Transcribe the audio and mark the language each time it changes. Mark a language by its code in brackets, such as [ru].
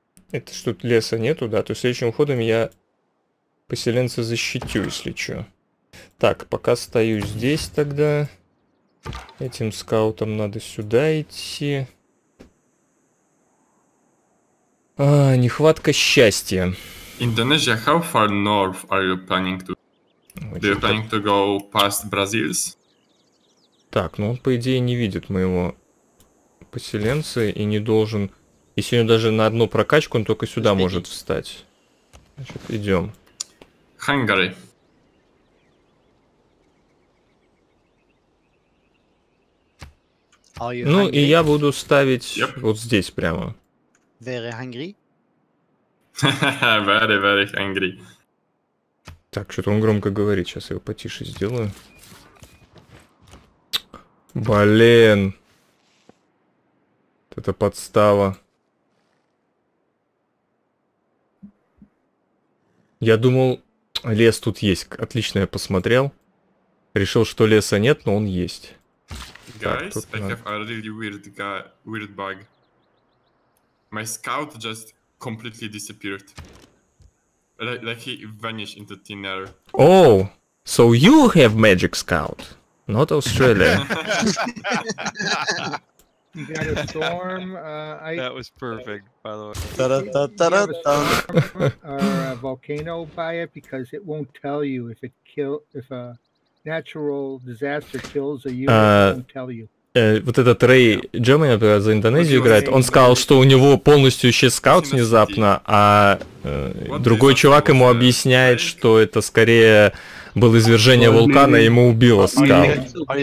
[ru] Это что, тут леса нету, да? То есть следующим ходом я поселенца защитю, если что. Так, пока стою здесь тогда. Этим скаутам надо сюда идти. А, нехватка счастья. [en] Indonesia, how far north are you planning to? Do you planning to go past Brazil's? [ru] Так, ну он, по идее, не видит моего поселенца и не должен... Если у него даже на одну прокачку, он только сюда может встать. Значит, идем. [en] Hungary. [ru] Ну, и я буду ставить вот здесь прямо. [en] Very hungry? Very, very hungry. [ru] Так, что-то он громко говорит, сейчас я его потише сделаю. Блин. Это подстава. Я думал, лес тут есть. Отлично, я посмотрел. Решил, что леса нет, но он есть. [en] Guys, [ru] так, [en] I have a really weird bug. My scout just completely disappeared. Like he vanished into thin air. Oh, so you have magic scout, not Australia. You got a storm. That was perfect, by the way. A volcano by it because it won't tell you if it kill if a natural disaster kills a unit. Won't tell you. [ru] Вот этот Рэй Джемани, например, за Индонезию играет, он сказал, что у него полностью исчез скаут внезапно, а другой чувак ему объясняет, что это скорее было извержение вулкана, и ему убило скаут.